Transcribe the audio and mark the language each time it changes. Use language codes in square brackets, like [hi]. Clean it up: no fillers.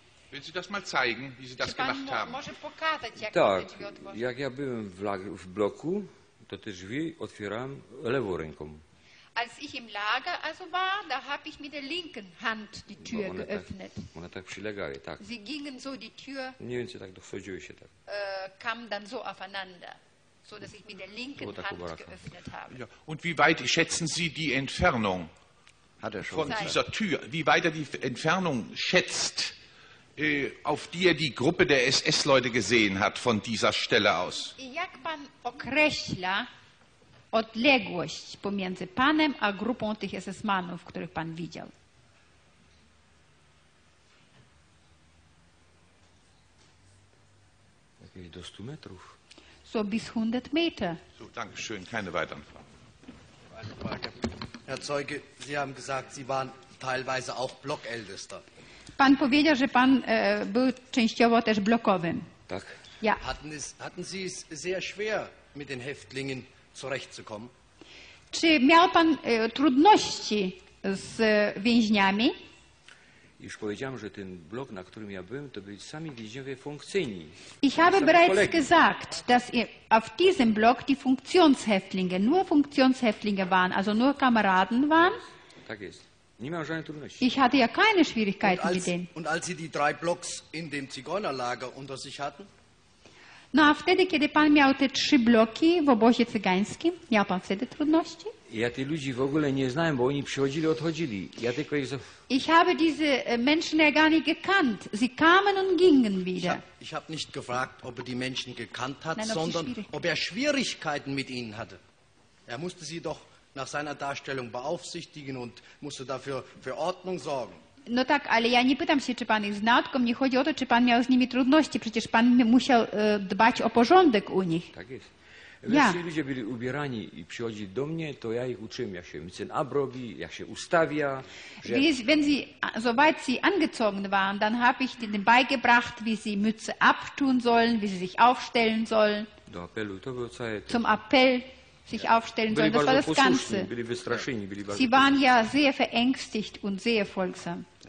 [de] Würden Sie das mal zeigen, wie Sie das gemacht haben? [pl] Może pokazać, jak tak, te drzwi otworzył. Jak ja byłem w bloku, to te drzwi otwierałem lewą ręką. [de] Als ich im Lager also war, da habe ich mit der linken Hand die Tür [pl] one [de] geöffnet. [pl] Tak przylegały, tak. [de] Sie gingen so die Tür. [pl] Mniej więcej tak dochodziły się tak. [de] Kam dann so aufeinander, so dass ich mit der linken Hand geöffnet habe. Ja. Und wie weit schätzen Sie die Entfernung hat er schon von dieser Tür? Wie weit er die Entfernung schätzt, auf die er die Gruppe der SS-Leute gesehen hat von dieser Stelle aus? [pl] Jak pan określa odległość pomiędzy panem a grupą tych SS-manów, których pan widział? Jakieś do 100 metrów. [de] So bis 100 meter. So, danke schön, keine weiteren Fragen. Herr Zeuge, Sie haben gesagt, Sie waren teilweise auch Blockältester. [pl] Pan powiedział, że pan był częściowo też blokowym. Tak. [de] Ja. Hatten Sie es sehr schwer mit den Häftlingen zurechtzukommen? [pl] Czy miał pan trudności z więźniami? Już powiedziałem, że ten blok, na którym ja byłem, to byli sami więźniowie funkcyjni. [de] Ich habe bereits gesagt, dass auf diesem Block die Funktionshäftlinge, nur Funktionshäftlinge waren, also nur Kameraden waren. [pl] Tak jest. Nie miał żadnych trudności. [de] Ich hatte ja keine Schwierigkeiten mit denen. Und als Sie die drei Blocks in dem Zigeunerlager unter sich hatten? [pl] No a wtedy, kiedy pan miał te trzy bloki w obozie cygańskim, miał pan wtedy trudności? Ja tych ludzi w ogóle nie znałem, bo oni przychodzili, odchodzili. Ja tylko ich... [de] Ich habe diese Menschen ja gar nicht gekannt. Sie kamen und gingen wieder. Ich habe nicht gefragt, ob er die Menschen gekannt hat, sondern ob er Schwierigkeiten mit ihnen hatte. Er musste sie doch nach seiner Darstellung beaufsichtigen und musste dafür für Ordnung sorgen. [pl] No tak, ale ja nie pytam się, czy pan ich znał, tylko mnie chodzi o to, czy pan miał z nimi trudności. Przecież pan musiał dbać o porządek u nich. Tak jest. Ja. Więc ludzie byli ubierani i przychodzili do mnie, to ja ich uczyłem, jak się mycenab robi, jak się ustawia. [de] Wenn sie, soweit sie angezogen waren, dann habe ich ihnen beigebracht, wie sie Mütze abtun sollen, wie sie sich aufstellen sollen. [pl] Do apelu, to było całe [de] to. Zum Appell. Sich aufstellen sollen, das war das Ganze. Sie waren ja sehr verängstigt und sehr folgsam.